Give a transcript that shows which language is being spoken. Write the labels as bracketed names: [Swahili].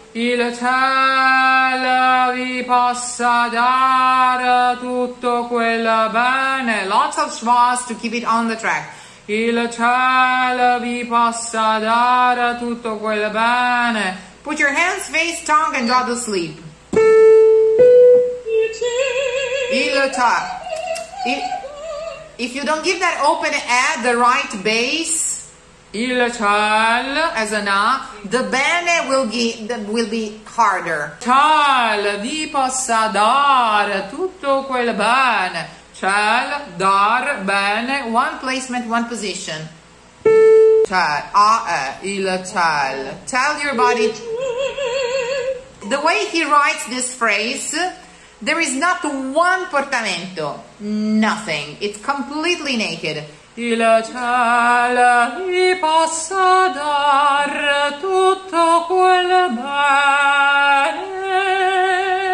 [Italian] Il cielo vi possa dare tutto quel bene. [English] Lots of schwas to keep it on the track. [Italian] il cielo vi possa dare tutto quel bene. [English] Put your hands, face, tongue, and go to sleep. If you don't give that open A, the right bass, [Italian] il cielo, [English] as an A, the bene will be harder. [Italian] Cielo vi possa dare tutto quel bene. Cielo, dar, bene. [English] One placement, one position. [Italian] Il cielo. [English] Tell your body. The way he writes this phrase, there is not one portamento. Nothing. It's completely naked. [Italian] Il cielo vi possa dar tutto quel bene.